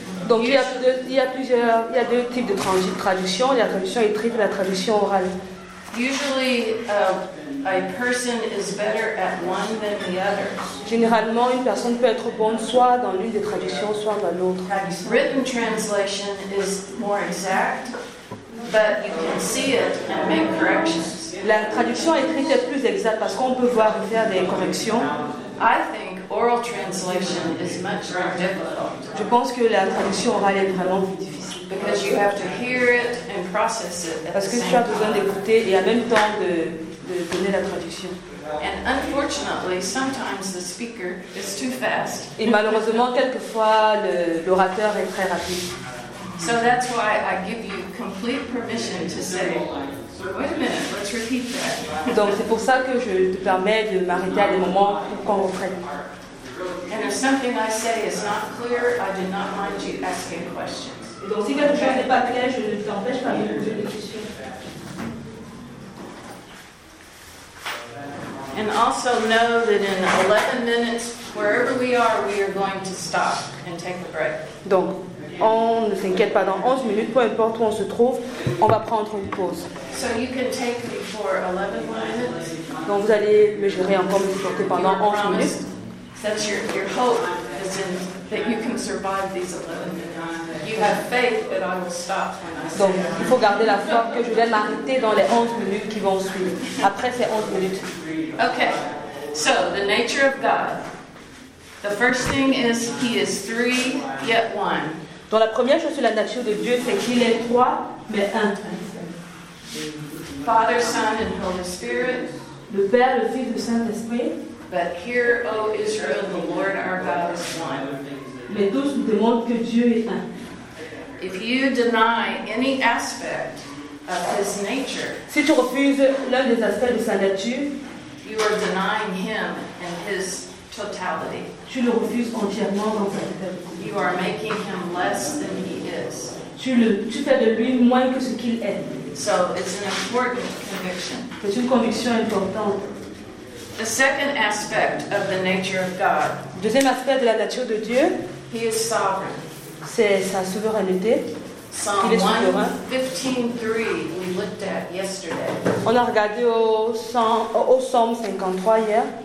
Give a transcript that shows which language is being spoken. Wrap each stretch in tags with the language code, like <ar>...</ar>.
<fr>Donc il y a deux types de traduction, il y a la traduction écrite et la traduction orale.</fr> <en>Usually, a person is better at one than the other.</en> <fr>Généralement, une personne peut être bonne soit dans l'une des traductions, soit dans l'autre.</fr> <en>Written translation is more exact, but you can see it and make corrections.</en> <fr>La traduction écrite est plus exacte parce qu'on peut voir et faire des corrections.</fr> <en>I think oral translation is much more difficult.</en> <fr>Je pense que la traduction orale est vraiment plus difficile.</fr> <en>Because you have to hear it and process it.</en> <fr>Parce que tu as besoin d'écouter et en même temps de donner la traduction.</fr> <en>And unfortunately, sometimes the speaker is too fast.</en> <fr>Et malheureusement, quelquefois l'orateur est très rapide.</fr> <en>So that's why I give you complete permission to say, wait a minute, let's repeat that.</en> <fr>Donc c'est pour ça que je te permets de m'arrêter à des moments pour qu'on reprenne.</fr> <en>And if something I say is not clear, I do not mind you asking questions.</en> <fr>Donc si quelque chose n'est pas clair, je ne t'empêche pas de poser des questions.</fr> <en>And also know that in 11 minutes, wherever we are going to stop and take a break.</en> <fr>Donc, on ne s'inquiète pas, dans 11 minutes, peu importe où on se trouve, on va prendre une pause.</fr> <en>So you can take me for 11 minutes.</en> <fr>Donc vous allez me gérer encore me supporter pendant 11 minutes.</fr> <en>That's your hope is in that you can survive these 11 minutes. You have faith that I will stop when I say.</en> <fr>Donc il faut garder la foi que je vais m'arrêter dans les 11 minutes qui vont suivre. Après ces 11 minutes.</fr> <en>Okay. So the nature of God. The first thing is he is three yet one.</en> <fr>Donc la première chose sur la nature de Dieu c'est qu'il est trois mais un.</fr> <en>Father, Son and Holy Spirit.</en> <fr>Le Père, le Fils et le Saint-Esprit.</fr> <en>But hear, O Israel, the Lord our God is one.</en> <fr>Mais tous nous demandent que Dieu est un.</fr> <en>If you deny any aspect of his nature,</en> <fr>si tu refuses l'un des aspects de sa nature,</fr> <en>you are denying him and his totality.</en> <fr>Tu le refuses entièrement dans sa totalité.</fr> <en>You are making him less than he is.</en> <fr>Tu fais de lui moins que ce qu'il est.</fr> <en>So it's an important conviction.</en> <fr>C'est une conviction importante.</fr> <en>The second aspect of the nature of God.</en> <fr>Deuxième aspect de la nature de Dieu.</fr> <en>He is sovereign.</en> <fr>C'est sa souveraineté.</fr> <en>Psalm 115:3 we looked at yesterday.</en> <fr>On a regardé au psaume 53 hier.</fr>